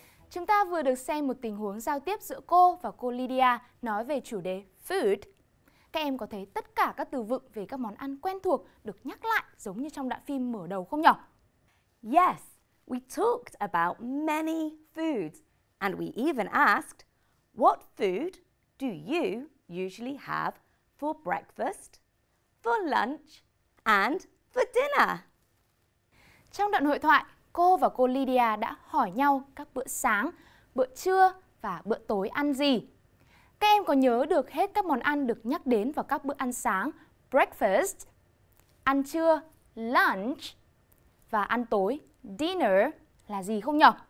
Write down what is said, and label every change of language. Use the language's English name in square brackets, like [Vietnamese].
[Vietnamese] Chúng ta vừa được xem một tình huống giao tiếp giữa cô và cô Lydia nói về chủ đề food. Các em có thấy tất cả các từ vựng về các món ăn quen thuộc được nhắc lại giống như trong đoạn phim mở đầu không nhỉ? [English] Yes, we talked about many foods and we even asked, what food do you usually have for breakfast, for lunch and for dinner? [Vietnamese] Trong đoạn hội thoại, cô và cô Lydia đã hỏi nhau các bữa sáng, bữa trưa và bữa tối ăn gì. Các em có nhớ được hết các món ăn được nhắc đến vào các bữa ăn sáng, breakfast, ăn trưa, lunch và ăn tối, dinner là gì không nhỉ?